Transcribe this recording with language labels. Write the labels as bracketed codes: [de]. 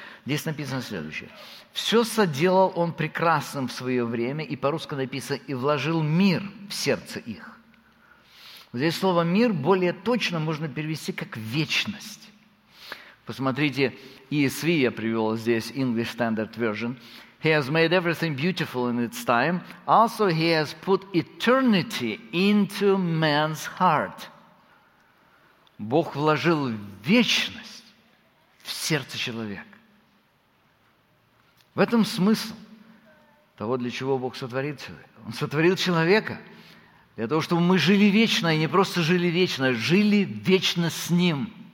[ru] Здесь написано следующее. «Все соделал он прекрасным в свое время», и по-русски написано, «и вложил мир в сердце их». Здесь слово «мир» более точно можно перевести как «вечность». Посмотрите, ESV я привел здесь, English Standard Version. [en] «He has made everything beautiful in its time. Also, he has put eternity into man's heart». [ru] Бог вложил вечность в сердце человека. В этом смысл. того, для чего Бог сотворил человека. Он сотворил человека для того, чтобы мы жили вечно, и не просто жили вечно, жили вечно с Ним.